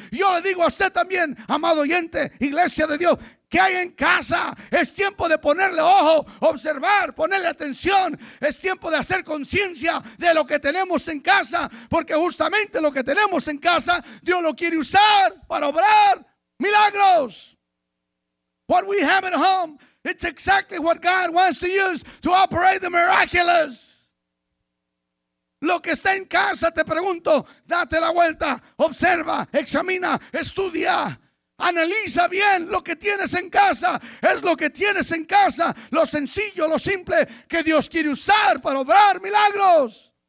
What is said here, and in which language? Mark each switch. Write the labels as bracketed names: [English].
[Spanish] Yo le digo a usted también, amado oyente, iglesia de Dios, ¿qué hay en casa? Es tiempo de ponerle ojo, observar, ponerle atención. Es tiempo de hacer conciencia de lo que tenemos en casa, porque justamente lo que tenemos en casa, Dios lo quiere usar para obrar milagros. [English] What we have at home, it's exactly what God wants to use to operate the miraculous. [Spanish] Lo que está en casa, te pregunto, date la vuelta, observa, examina, estudia, analiza bien lo que tienes en casa. Es lo que tienes en casa, lo sencillo, lo simple, que Dios quiere usar para obrar milagros.